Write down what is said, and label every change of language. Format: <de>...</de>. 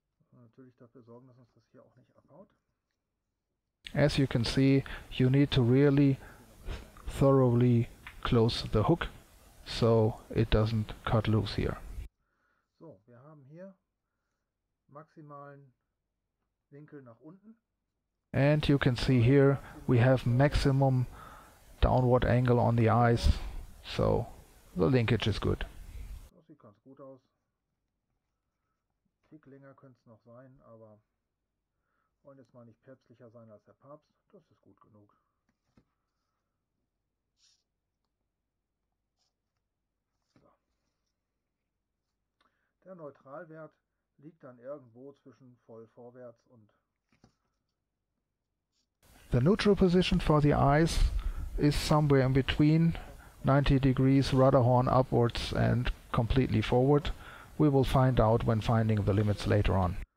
<de>Natürlich dafür sorgen, dass uns das hier auch nicht abhaut.</de> <en>As you can see, you need to really thoroughly close the hook, so it doesn't cut loose here.</en> <de>So, wir haben hier maximalen Winkel nach unten.</de> <en>And you can see here, we have maximum downward angle on the eyes, so the linkage is good.</en> <de>Das sieht ganz gut aus. Tick länger könnte es noch sein, aber... Wollen jetzt mal nicht päpstlicher sein als der Papst, das ist gut genug. So. Der Neutralwert liegt dann irgendwo zwischen voll vorwärts und...</de> <en>The neutral position for the eyes is somewhere in between 90 degrees rudderhorn upwards and completely forward. We will find out when finding the limits later on.</en>